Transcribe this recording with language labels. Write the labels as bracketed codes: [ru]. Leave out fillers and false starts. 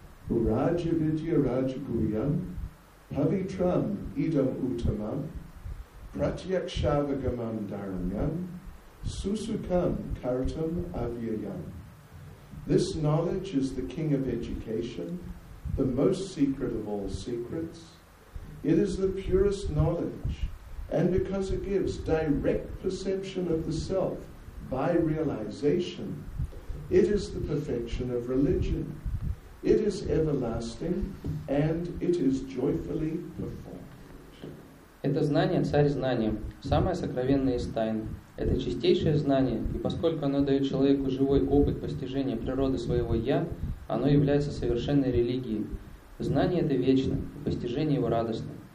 [sa] Ураджавидья раджагурья Павитрам идам утамам Пратьякшавагамам дарамьям Сусукам картам авьяям. [en] This knowledge is the king of education, the most secret of all secrets. It is the purest knowledge, and because it gives direct perception of the self by realization, it is the perfection of religion. It is everlasting, and it is joyfully performed. [ru] Это знание, царь знания, самое сокровенное из тайн. Это чистейшее знание, и поскольку оно дает человеку живой опыт постижения природы своего «я», оно является совершенной религией. Знание это вечно, и постижение его радостно.